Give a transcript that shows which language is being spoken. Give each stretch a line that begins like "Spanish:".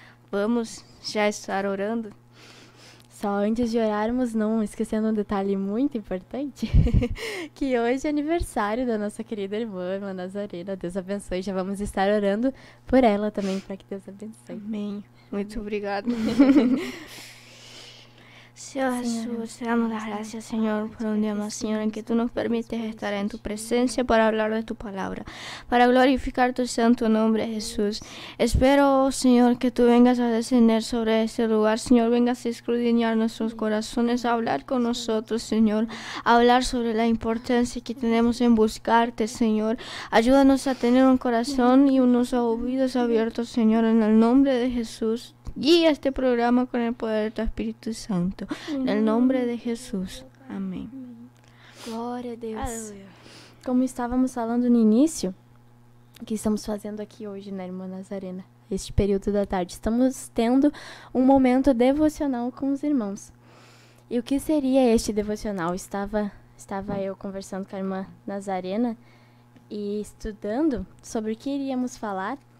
Portuguese: Vamos já estar orando. Só antes de orarmos, não esquecendo um detalhe muito importante, que hoje é aniversário da nossa querida irmã, irmã Nazarena. Deus abençoe, já vamos estar orando por ela também, para que Deus abençoe. Amém. Muito obrigada.
Spanish: Senhor Jesús, te damos las gracias, Señor, por un día más, Señor, en que tú nos permites estar en tu presencia para hablar de tu palabra, para glorificar tu santo nombre, Jesús. Espero, Señor, que tú vengas a descender sobre este lugar, Señor, vengas a escudriñar nuestros corazones, a hablar con nosotros, Señor, a hablar sobre la importancia que tenemos en buscarte, Señor. Ayúdanos a tener un corazón y unos oídos abiertos, Señor, en el nombre de Jesús. Guía este programa con el poder de tu Espíritu Santo. En el nombre de Jesús. Amén.
Portuguese: Glória a Deus. Aleluia. Como estávamos falando no início, o que estamos fazendo aqui hoje, né, irmã Nazarena? Este período da tarde. Estamos tendo um momento devocional com os irmãos. E o que seria este devocional? Estava eu conversando com a irmã Nazarena e estudando sobre o que iríamos falar.